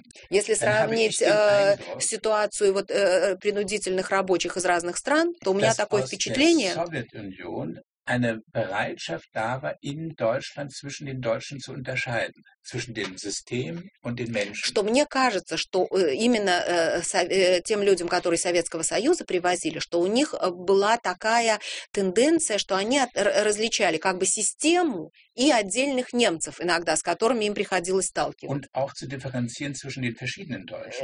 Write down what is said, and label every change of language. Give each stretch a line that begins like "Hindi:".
Russian: Если сравнить ситуацию вот, принудительных рабочих из разных стран, то у меня такое впечатление...
German: Eine Bereitschaft da war in Deutschland zwischen den Deutschen zu unterscheiden. Zwischen dem System und den Menschen.
Russian: Что мне кажется, что именно тем людям, которые Советского Союза привозили, что у них была такая тенденция, что они различали как бы систему и отдельных немцев иногда, с которыми им приходилось сталкиваться.